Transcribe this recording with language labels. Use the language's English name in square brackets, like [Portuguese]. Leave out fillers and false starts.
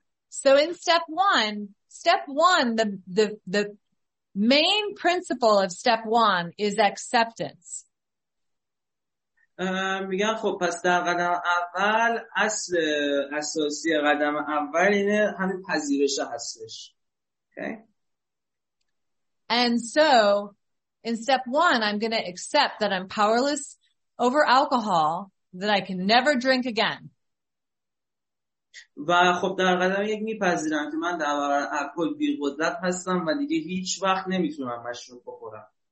[English] So in step 1 the main principle of step 1 is acceptance. [Persian] میگن خب پس در قدم اول اصل اساسی قدم اول اینه همین پذیرش هستش. [English] Okay and so in step 1, I'm going to accept that I'm powerless over alcohol, that I can never drink again. [Persian] و خب در قدم یک میپذیرم که من در برابر الکل بی‌قدرت هستم و دیگه هیچ وقت نمیتونم مشروب بخورم.